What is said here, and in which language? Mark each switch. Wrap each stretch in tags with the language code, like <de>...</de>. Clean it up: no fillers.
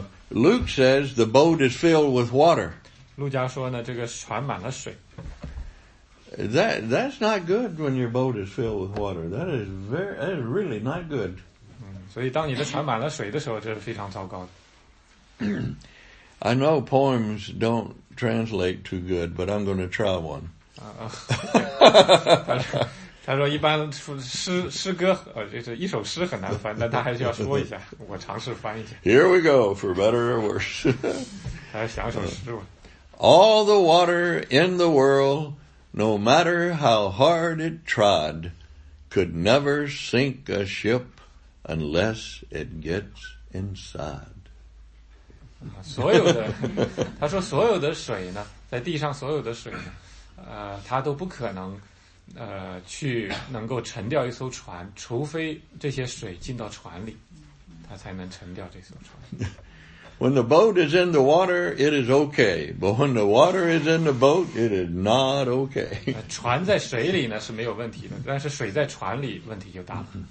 <en>Luke says the boat is filled with water.</en> <zh>路加说呢，这个船满了水。</zh> <en>That's not good when your boat is filled with water. That is really not good.</en> <zh>所以当你的船满了水的时候，这是非常糟糕的。</zh> <en>I know poems don't translate too good, but I'm going to try one.</en> <zh>他说一般诗歌就是一首诗很难翻，但他还是要说一下，我尝试翻一下。</zh> <en>Here we go, for better or worse.</en> <zh>他想一首诗吧。</zh> <en>All the water in the world, no matter how hard it trod, could never sink a ship unless it gets inside.</en> <zh>所有的，他说所有的水呢，在地上所有的水呢，它都不可能去能够沉掉一艘船，除非这些水进到船里，它才能沉掉这艘船。</zh> <en>When the boat is in the water, it is okay. But when the water is in the boat, it is not okay.</en> <zh>船在水里呢是没有问题的，但是水在船里问题就大了。</zh>